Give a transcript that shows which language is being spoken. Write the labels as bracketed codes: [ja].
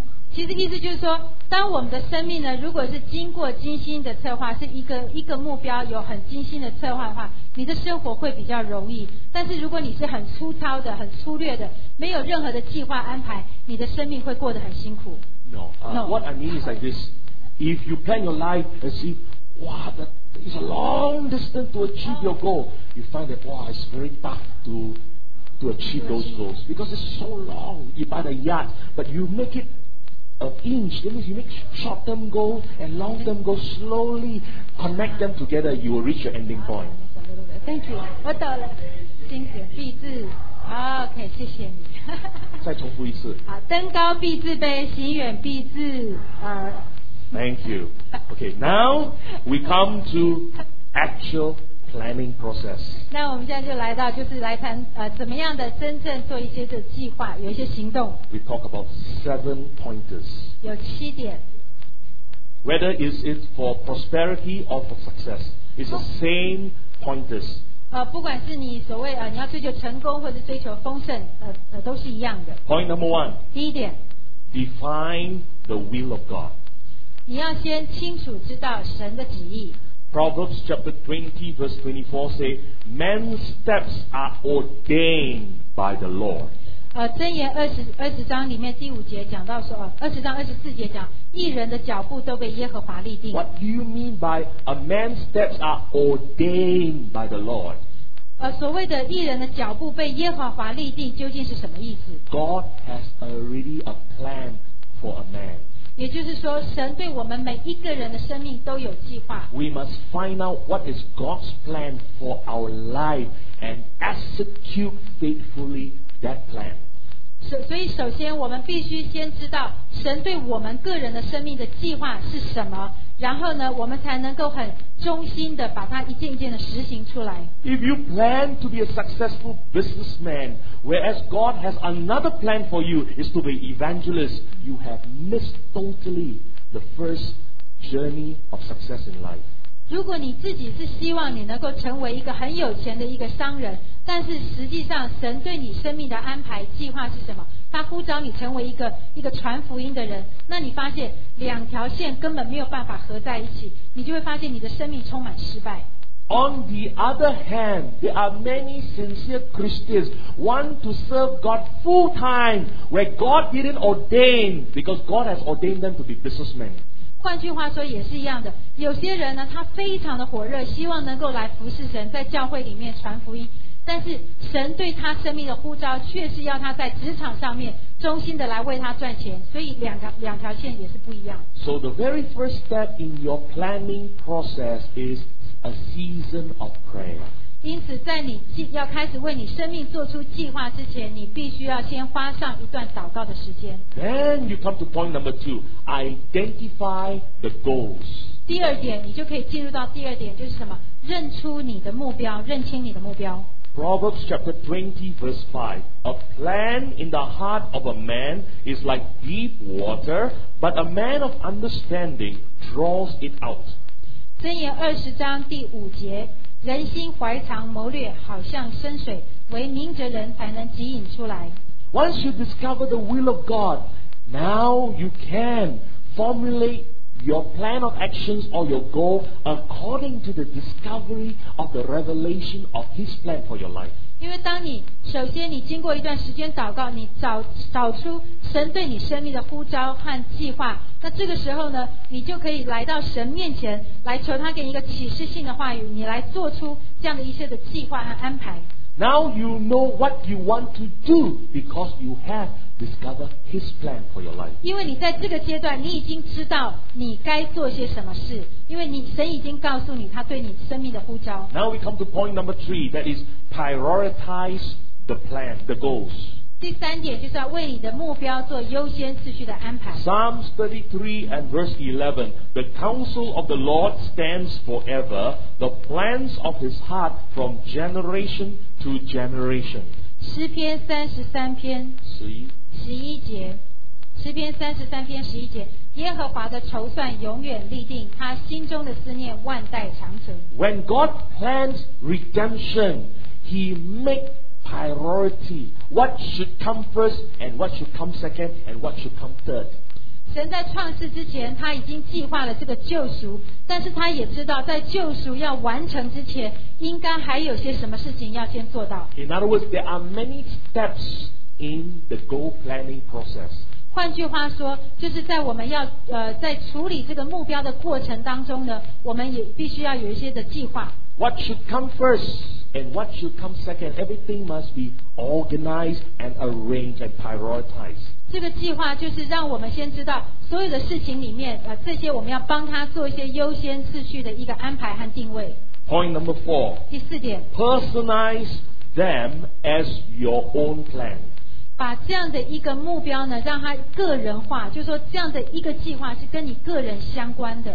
[zh] 其实意思就是说，当我们的生命呢，如果是经过精心的策划，是一个目标有很精心的策划的话，你的生活会比较容易。但是如果你是很粗糙的、很粗略的，没有任何的计划安排，你的生命会过得很辛苦。 [en] No. What I mean is like this: if you plan your life and see, wow, that is a long distance to achieve your goal, you find that wow, it's very tough to achieve those goals because it's so long. You buy the yacht, but you make it. An inch, that means you make short-term goals and long-term goals slowly connect them together, you will reach your ending point. Thank you. [zh] 我懂了。精简必致。OK, 谢谢你。再重复一次。登高必自卑，行远必自。 [en] Thank you. Okay, now we come to actual planning process. [zh] 那我们现在就来到，就是来谈怎么样的真正做一些的计划，有一些行动。 [en] We talk about seven pointers. [zh] 有七点。 [en] Whether is it for prosperity or for success, it's the same pointers. [zh] 不管是你所谓你要追求成功或者追求丰盛都是一样的。 [en] Point number one. [zh] 第一点。 [en] Define the will of God. [zh] 你要先清楚知道神的旨意。 [en] Proverbs chapter 20 verse 24 say, Men's steps are ordained by the Lord. [zh] 箴言20章里面第五节讲到说，20章24节讲，一人的脚步都被耶和华立定。 [en] What do you mean by a man's steps are ordained by the Lord? [zh] 所谓的义人的脚步被耶和华立定，究竟是什么意思？ [en] God has already a plan for a man. [zh] 也就是说，神对我们每一个人的生命都有计划。 [en] We must find out what is God's plan for our life and execute faithfully that plan. [zh] 所以首先我们必须先知道神对我们个人的生命的计划是什么，然后呢我们才能够很忠心的把它一件一件的实行出来。 [en] If you plan to be a successful businessman, whereas God has another plan for you is to be evangelist, you have missed totally the first journey of success in life. [zh] 如果你自己是希望你能够成为一个很有钱的一个商人，但是实际上神对你生命的安排计划是什么？他呼召你成为一个传福音的人，那你发现两条线根本没有办法合在一起，你就会发现你的生命充满失败。 [en] On the other hand, there are many sincere Christians want to serve God full time where God didn't ordain because God has ordained them to be businessmen. [zh] 换句话说也是一样的，有些人呢他非常的火热，希望能够来服侍神，在教会里面传福音，但是神对他生命的呼召却是要他在职场上面忠心的来为他赚钱，所以两条线也是不一样。 [en] So the very first step in your planning process is a season of prayer. [zh] 因此在你要开始为你生命做出计划之前，你必须要先花上一段祷告的时间。 [en] Then you come to point number two, identify the goals. [zh] 第二点，你就可以进入到第二点，就是什么？认出你的目标，认清你的目标。 [en] Proverbs chapter 20 verse 5 A plan in the heart of a man is like deep water, but a man of understanding draws it out. [zh] 箴言二十章第五节，人心怀藏谋略，好像深水，唯明哲人才能汲引出来。 [en] Once you discover the will of God, now you can formulate your plan of actions or your goal according to the discovery of the revelation of His plan for your life. [zh] 因为当你首先你经过一段时间祷告，你 找出神对你生命的呼召和计划，那这个时候呢，你就可以来到神面前来求他给你一个启示性的话语，你来做出这样的一些的计划和安排。 [en] Now you know what you want to do because you have discovered His plan for your life. [zh] 因为你在这个阶段，你已经知道你该做些什么事，因为你神已经告诉你他对你生命的呼召。 [en] Now we come to point number three, that is prioritize the plan, the goals. [zh] 第三点就是要为你的目标做优先次序的安排。 [en] Psalms 33 and verse 11, the counsel of the Lord stands forever, the plans of His heart from generation. To generation. [zh] 诗篇三十三篇十一节，诗篇三十三篇十一节，耶和华的筹算永远立定，他心中的思念万代长存。 [en] When God plans redemption, He make priority. What should come first, and what should come second, and what should come third? [zh] 神在创世之前他已经计划了这个救赎，但是他也知道在救赎要完成之前应该还有些什么事情要先做到。 [en] In other words, there are many steps in the goal planning process. [zh] 换句话说，就是在我们要在处理这个目标的过程当中呢，我们也必须要有一些的计划。 [en] What should come first and what should come second? Everything must be organized and arranged and prioritized. [zh] 这个计划就是让我们先知道所有的事情里面这些我们要帮他做一些优先次序的一个安排和定位。 [en] Point number four, [zh] 第四点， [en] Personalize them as your own plan. [zh] 把这样的一个目标呢让他个人化，就是说这样的一个计划是跟你个人相关的。